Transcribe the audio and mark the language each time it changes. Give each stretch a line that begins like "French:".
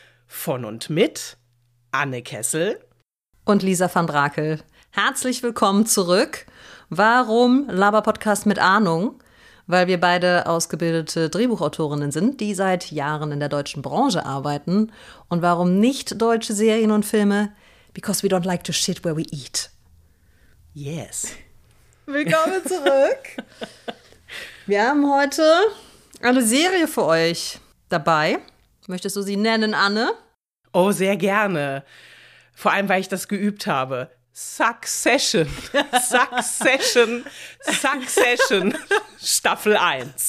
German: Von und mit Anne Kessel und Lisa van Brakel. Herzlich willkommen zurück. Warum Laber-Podcast mit Ahnung? Weil wir beide ausgebildete Drehbuchautorinnen sind, die seit Jahren in der deutschen Branche arbeiten. Und warum nicht-deutsche Serien und Filme?
English: Because we don't like to shit where we eat. Yes.
German: Willkommen zurück. Wir haben heute eine Serie für euch dabei. Möchtest du sie nennen, Anne? Oh, sehr gerne. Vor allem, weil ich das geübt habe. Succession. Succession. Succession. Staffel 1.